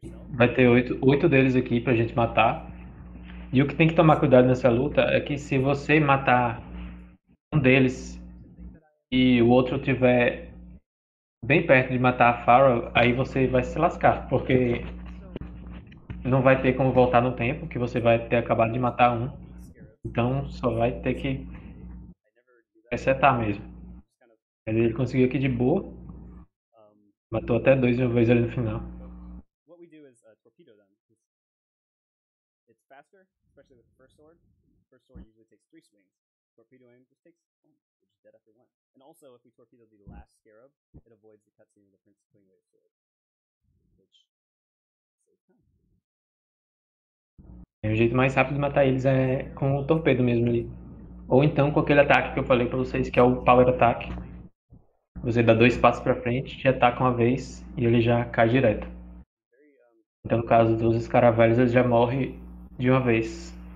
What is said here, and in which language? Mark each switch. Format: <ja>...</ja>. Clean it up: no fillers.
<pt>Vai ter oito deles aqui pra gente matar. E o que tem que tomar cuidado nessa luta é que se você matar um deles e o outro tiver bem perto de matar a Pharah, aí você vai se lascar, porque não vai ter como voltar no tempo, que você vai ter acabado de matar um. Então só vai ter que resetar mesmo. Mas ele conseguiu aqui de boa. Matou até dois de uma vez ali no final.</pt> <en>What we do is torpedo them. It's faster, especially with the first sword. First sword usually takes three swings. Torpedoing just takes one, which is dead after one. And also, if we torpedo the last scarab, it avoids the cutscene of the prince swinging his sword, which saves time.</en> <pt>O jeito mais rápido de matar eles é com o torpedo mesmo ali. Ou então com aquele ataque que eu falei pra vocês, que é o Power Attack. Você dá dois passos pra frente, te ataca uma vez e ele já cai direto. Então no caso dos escaravelhos, ele já morre de uma vez.</pt>